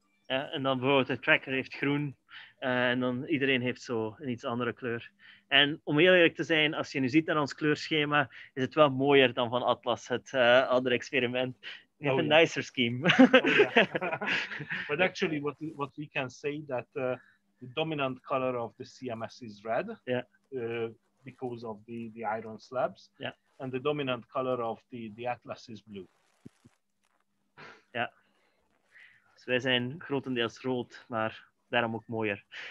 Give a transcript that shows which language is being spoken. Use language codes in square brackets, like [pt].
[en] Yeah, and [nl] dan bijvoorbeeld de tracker heeft groen en dan iedereen heeft zo een iets andere kleur. En om heel eerlijk te zijn, als je nu ziet naar ons kleurschema, is het wel mooier dan van Atlas, het andere experiment. [en] We have a nicer scheme. Oh, yeah. But actually, what we can say that the dominant color of the CMS is red, because of the iron slabs, and the dominant color of the Atlas is blue. [nl] Ja. Yeah. Dus wij zijn grotendeels rood, maar daarom ook mooier.